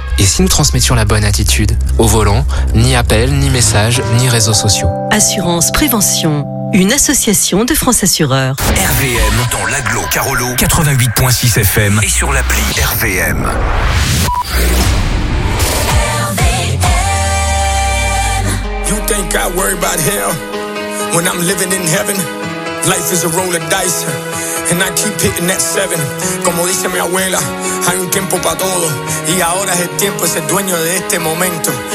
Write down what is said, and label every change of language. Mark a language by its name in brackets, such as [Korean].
[French] Et si nous transmettions la bonne attitude? Au volant, ni appel, ni message, ni réseaux sociaux. Assurance Prévention. Une association de France Assureurs. RVM dans l'agglo Carolo 88.6 FM et sur l'appli RVM. [English] You think I worry about hell when I'm living in heaven? Life is a roll of dice and I keep hitting that seven. [Spanish] Como dice mi abuela, hay un tiempo para todo y ahora es el tiempo, es el dueño de este momento.